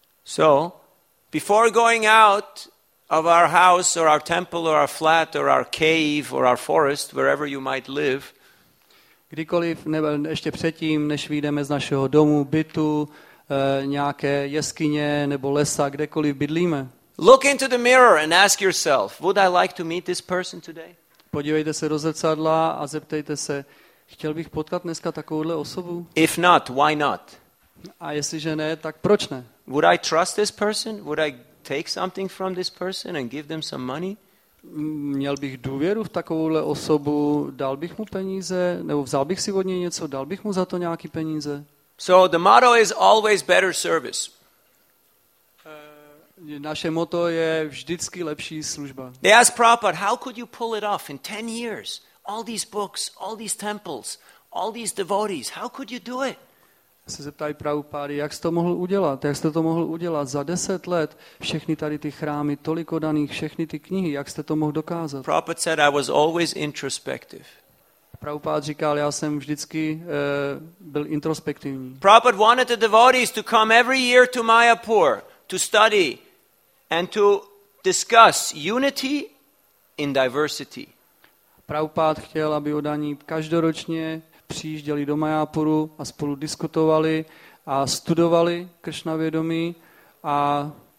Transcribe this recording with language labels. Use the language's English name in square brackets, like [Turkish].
[English] So, before going out of our house or our temple or our flat or our cave or our forest, wherever you might live, [Czech] Kdykoliv, nebo ještě předtím, než vyjdeme z našeho domu, bytu, nějaké jeskyně nebo lesa, kdekoliv bydlíme. [English] Look into the mirror and ask yourself, would I like to meet this person today? [Czech] Podívejte se do zrcadla a zeptejte se, chtěl bych potkat dneska takovouhle osobu? [English] If not, why not? [Czech] A jestliže ne, tak proč ne? [English] Would I trust this person? Would I take something from this person and give them some money? [Czech] Měl bych důvěru v takovouhle osobu, dal bych mu peníze, nebo vzal bych si od něj něco, dal bych mu za to nějaký peníze. [English] So the motto is always better service. [Czech] Naše motto je vždycky lepší služba. [English] They asked Prabhupada, how could you pull it off in 10 years? All these books, all these temples, all these devotees, how could you do it? [Czech] Se zeptali Prabhupády, jak jste to mohl udělat? Jak jste to mohl udělat za 10 let? Všechny tady ty chrámy, toliko daných, všechny ty knihy, jak jste to mohl dokázat? [English] Prabhupada said, I was always introspective. [Czech] Prabhupád říkal, já jsem vždycky byl introspektivní. [English] Prabhupád wanted the devotees to come every year to Mayapur to study and to discuss unity in diversity. [Czech] Prabhupád chtěl, aby oddaní každoročně přijížděli do Mayapuru a spolu diskutovali a studovali Krishna vědomí a